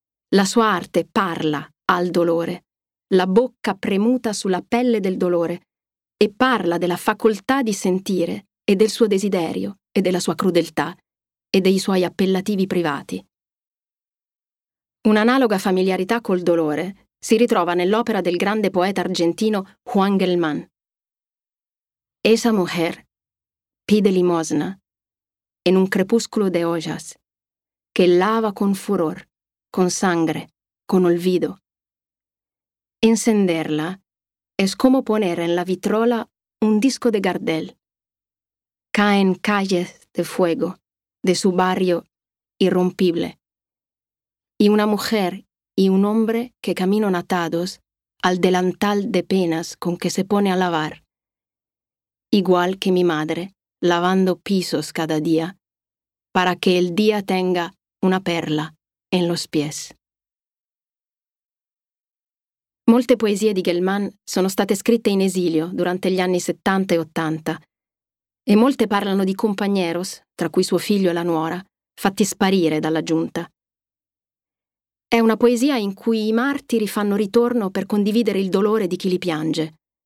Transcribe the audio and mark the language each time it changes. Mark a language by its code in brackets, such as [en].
[it] La sua arte parla al dolore, la bocca premuta sulla pelle del dolore, e parla della facoltà di sentire e del suo desiderio e della sua crudeltà e dei suoi appellativi privati. Un'analoga familiarità col dolore si ritrova nell'opera del grande poeta argentino Juan Gelman. [es] Esa mujer pide limosna en un crepúsculo de ollas que lava con furor, con sangre, con olvido. Encenderla es como poner en la vitrola un disco de Gardel. Caen calles de fuego de su barrio irrompible. Y una mujer y un hombre que caminan atados al delantal de penas con que se pone a lavar. Igual que mi madre, lavando pisos cada día, para que el día tenga una perla en los pies. [it] Molte poesie di Gelman sono state scritte in esilio durante gli anni 70 e 80, e molte parlano di compañeros, tra cui suo figlio e la nuora, fatti sparire dalla giunta. È una poesia in cui i martiri fanno ritorno per condividere il dolore di chi li piange.